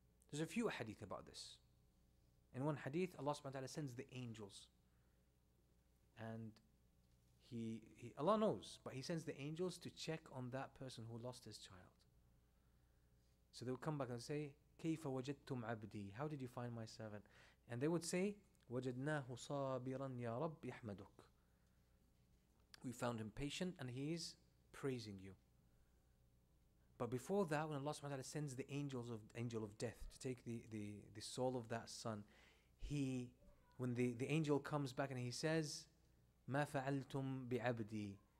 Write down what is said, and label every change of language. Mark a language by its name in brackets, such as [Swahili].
[English] There's a few hadith about this. In one hadith, Allah subhanahu wa ta'ala sends the angels. And he Allah knows, but he sends the angels to check on that person who lost his child. So they would come back and say, [Arabic] كَيْفَ وَجَدْتُمْ عَبْدِي? [English] How did you find my servant? And they would say, [Arabic] وَجَدْنَاهُ صَابِرًا يَا رَبِّ يَحْمَدُكُ. [English] We found him patient and he is praising you. But before that, when Allah subhanahu wa ta'ala sends the angel of death to take the soul of that son, when the angel comes back and he says, [Arabic] مَا فَعَلْتُمْ بِعَبْدِي?